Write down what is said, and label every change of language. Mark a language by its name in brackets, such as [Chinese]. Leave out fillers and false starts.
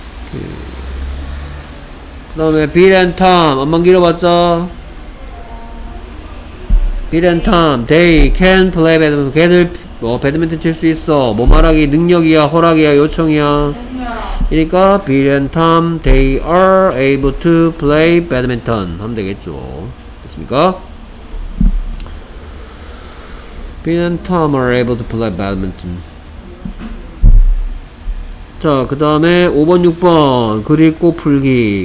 [Korean] 그 다음에 [English] Bill and Tom [Korean] 한번 길어봤자 [English] Bill and Tom They can play badminton. [Korean] 걔들 뭐 배드민턴 칠 수 있어. 뭐 말하기 능력이야 허락이야 요청이야. 그러니까 [English] Bill and Tom They are able to play badminton [Korean] 하면 되겠죠. 됐습니까? [English] Bill and Tom are able to play badminton. [Korean] 자, 그 다음에 5번, 6번 그릴 꽃 풀기.